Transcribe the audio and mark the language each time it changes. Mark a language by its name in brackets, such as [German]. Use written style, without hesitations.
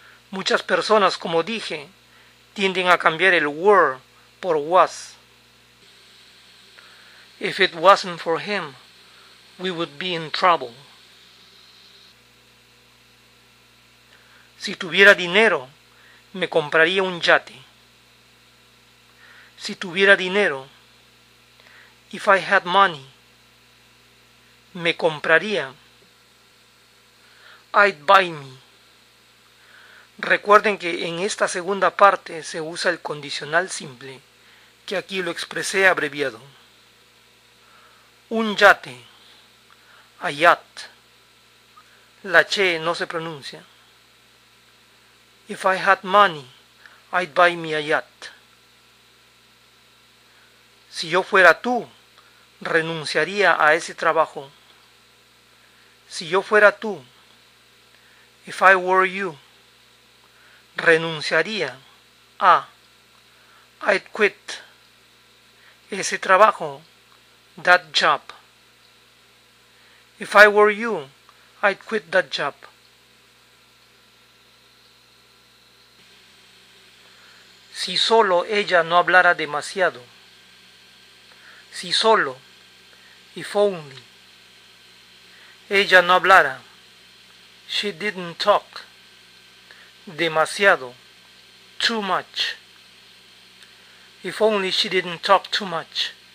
[Spanish] Muchas personas, como dije, tienden a cambiar el [English] were [Spanish] por [English] was. If it wasn't for him, we would be in trouble. [Spanish] Si tuviera dinero, me compraría un yate. Si tuviera dinero, [English] If I had money, [Spanish] me compraría. [English] I'd buy me. [Spanish] Recuerden que en esta segunda parte se usa el condicional simple, que aquí lo expresé abreviado. Un yate, [English] a yacht. [Spanish] La che no se pronuncia. [English] If I had money, I'd buy me a yacht. [Spanish] Si yo fuera tú, renunciaría a ese trabajo. Si yo fuera tú, [English] if I were you, [Spanish] renunciaría a, [English] I'd quit, [Spanish] ese trabajo, [English] that job. If I were you, I'd quit that job. [Spanish] Si solo ella no hablara demasiado. Si solo, [English] if only, [Spanish] ella no hablara, [English] she didn't talk, [Spanish] demasiado, [English] too much. If only she didn't talk too much.